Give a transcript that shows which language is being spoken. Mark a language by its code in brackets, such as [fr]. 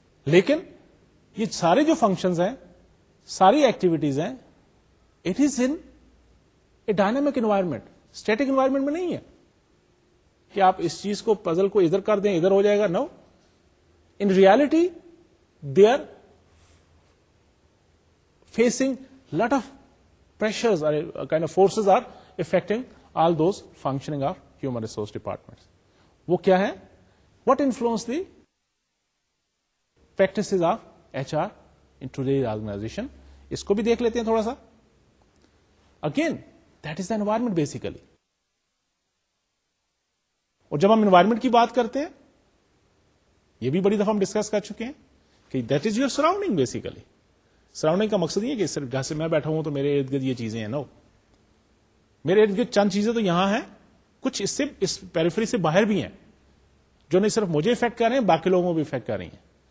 [ur] لیکن یہ سارے جو فنکشنز ہیں, ساری ایکٹیویٹیز ہیں, [en] it is in a dynamic environment, [ur] static environment میں نہیں ہے کہ آپ اس چیز کو پزل کو ادھر کر دیں ادھر ہو جائے گا, [en] No, in reality they are facing lot of pressures, kind of forces are affecting all those functioning of human resource department. [ur] وہ کیا ہے, [en] what influence the practices of H R in today's organization, [ur] اس کو بھی دیکھ لیتے ہیں تھوڑا سا. [en] Again that is the environment basically. [ur] اور جب ہم انوائرمنٹ کی بات کرتے ہیں, یہ بھی بڑی دفعہ ہم ڈسکس کر چکے ہیں کہ [en] That is your surrounding basically. [ur] Surrounding کا مقصد یہ ہے کہ صرف جہاں سے میں بیٹھا ہوں تو میرے ارد گرد یہ چیزیں ہیں, نو, میرے ارد گرد چند چیزیں تو یہاں ہیں, کچھ اس سے اس پیریفری سے باہر بھی ہیں جو نہیں صرف مجھے افیکٹ کر رہے ہیں باقی لوگوں کو بھی افیکٹ کر رہی ہیں.